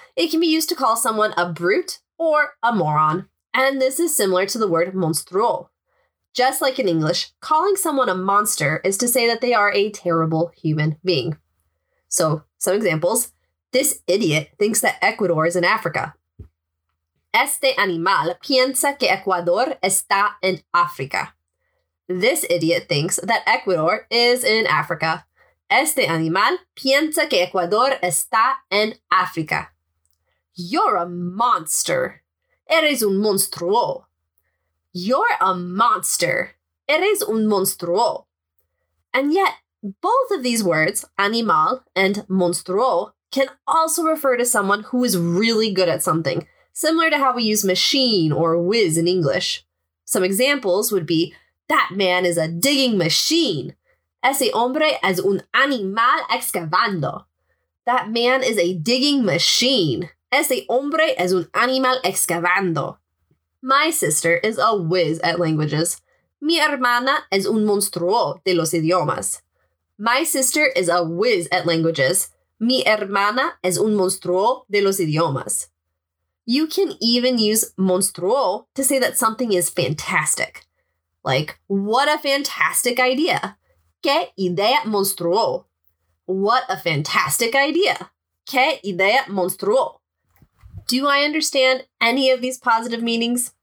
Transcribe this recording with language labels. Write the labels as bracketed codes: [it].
[en] It can be used to call someone a brute or a moron, and this is similar to the word monstruo. Just like in English, calling someone a monster is to say that they are a terrible human being. So, some examples. This idiot thinks that Ecuador is in Africa. [es] Este animal piensa que Ecuador está en África. [en] This idiot thinks that Ecuador is in Africa. [es] Este animal piensa que Ecuador está en África. [en] You're a monster. [es] Eres un monstruo. [en] You're a monster. [es] Eres un monstruo. [en] And yet, both of these words, animal and monstruo, can also refer to someone who is really good at something, similar to how we use machine or whiz in English. Some examples would be, that man is a digging machine. [es] Ese hombre es un animal excavando. [en] That man is a digging machine. [es] Ese hombre es un animal excavando. [en] My sister is a whiz at languages. [es] Mi hermana es un monstruo de los idiomas. [en] My sister is a whiz at languages. [es] Mi hermana es un monstruo de los idiomas. [en] You can even use monstruo to say that something is fantastic. Like, what a fantastic idea. [es] Qué idea monstruo. [en] What a fantastic idea. [es] Qué idea monstruo. [en] Do I understand any of these positive meanings?